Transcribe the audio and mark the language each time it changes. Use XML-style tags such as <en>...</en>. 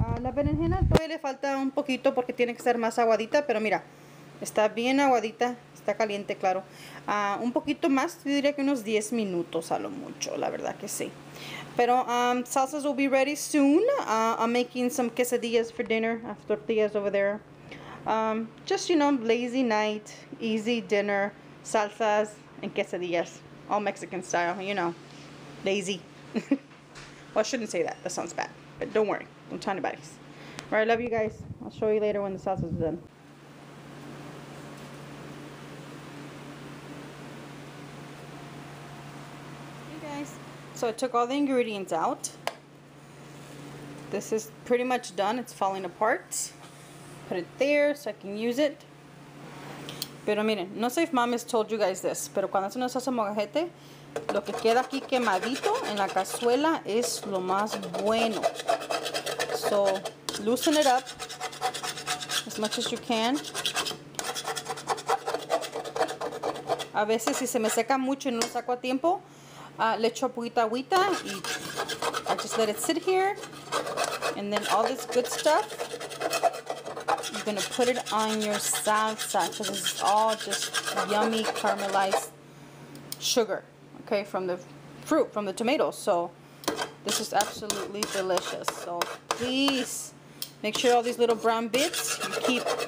<es>La berenjena todavía le falta un poquito porque tiene que estar más aguadita, pero mira, está bien aguadita, está caliente, claro. Un poquito más, yo diría que unos 10 minutos a lo mucho, la verdad que sí. Pero</es> <en>salsas will be ready soon. I'm making some quesadillas for dinner. I have tortillas over there. Just, you know, lazy night, easy dinner, salsas and quesadillas. All Mexican style, you know, lazy. Well, I shouldn't say that. That sounds bad. But don't worry. Don't tell anybody. All right, love you guys. I'll show you later when the sauce is done. Hey guys. So I took all the ingredients out. This is pretty much done. It's falling apart. Put it there so I can use it.</en> <es>Pero miren, no sé</es> <en>if mom has told you guys this,</en> <es>pero cuando hacen una salsa molcajete, lo que queda aquí quemadito en la cazuela es lo más bueno.</es> <en>So, loosen it up as much as you can.</en> <es>A veces si se me seca mucho y no lo saco a tiempo, le echo poquita agüita y</es> <en>I just let it sit here. And then all this good stuff, you're gonna put it on your salsa because it's all just yummy caramelized sugar, okay, from the fruit, from the tomatoes. So this is absolutely delicious. So please make sure all these little brown bits you keep.</en>